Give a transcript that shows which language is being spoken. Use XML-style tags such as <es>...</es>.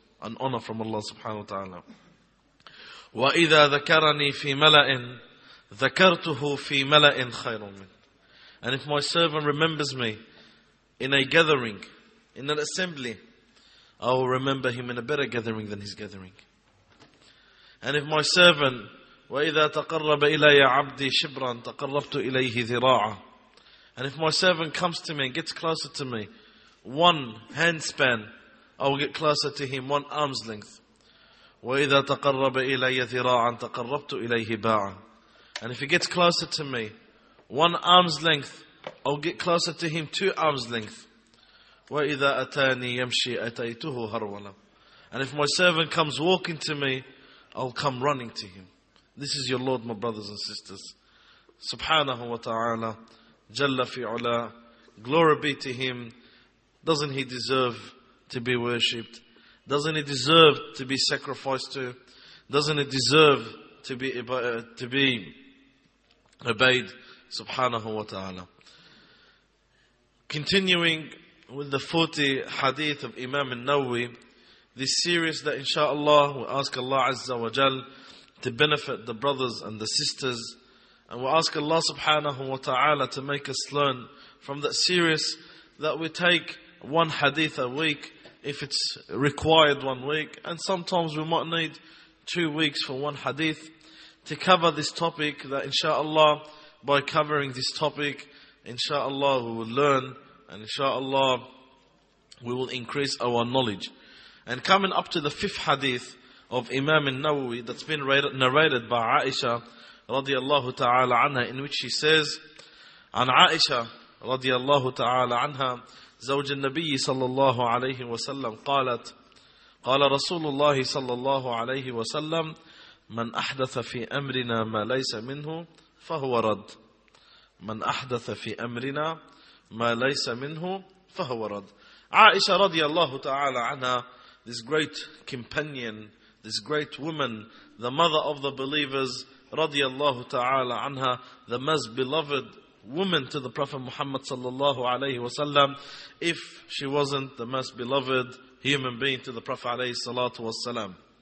<en>An honor from Allah subhanahu wa ta'ala.</en> <ar>وَإِذَا ذَكَرَنِي فِي مَلَئٍ ذَكَرْتُهُ فِي مَلَئٍ خَيْرٌ مِنْ.</ar> <en>And if my servant remembers me in a gathering, in an assembly, I will remember him in a better gathering than his gathering. And if my servant,</en> <ar>وَإِذَا تَقَرَّبَ إِلَيَ عَبْدِي شِبْرًا تَقَرَّبْتُ إِلَيْهِ ذِرَاعًا.</ar> <en>And if my servant comes to me and gets closer to me, one hand span, I will get closer to him, one arm's length.</en> <ar>وَإِذَا تَقَرَّبَ إِلَيَ ذِرَاعًا تَقَرَّبْتُ إِلَيْهِ بَاعًا.</ar> <en>And if he gets closer to me, one arm's length, I'll get closer to him, two arms' length.</en> <ar>وَإِذَا أَتَانِي يَمْشِي أَتَيْتُهُ هَرْوَلًا.</ar> <en>And if my servant comes walking to me, I'll come running to him. This is your Lord, my brothers and sisters. Subhanahu wa ta'ala, Jalla fi ula, glory be to him. Doesn't he deserve to be worshipped? Doesn't he deserve to be sacrificed to? Doesn't he deserve to be obeyed, subhanahu wa ta'ala. Continuing with the 40 hadith of Imam al-Nawawi, this series that inshaAllah we ask Allah Azza wa Jal to benefit the brothers and the sisters. And we ask Allah subhanahu wa ta'ala to make us learn from that series that we take one hadith a week if it's required 1 week. And sometimes we might need 2 weeks for one hadith to cover this topic, that inshaAllah by covering this topic, inshaAllah we will learn and inshaAllah we will increase our knowledge. And coming up to the fifth hadith of Imam al-Nawawi that's been narrated by Aisha radiallahu ta'ala anha,</en> <ar>in which she says, An Aisha radiallahu ta'ala anha, زوج النبي صلى الله عليه وسلم قالت قال رسول الله صلى الله عليه وسلم من أحدث في أمرنا ما ليس منه فهو رد من أحدث في أمرنا ما ليس منه فهو رد.</ar> <en>Aisha</en> <ar>رضي الله تعالى عنها,</ar> <en>this great companion, this great woman, the mother of the believers, رضي الله تعالى عنها, the most beloved woman to the Prophet Muhammad sallallahu alayhi wa sallam, if she wasn't the most beloved human being to the Prophet alayhi salatu wa sallam.</en>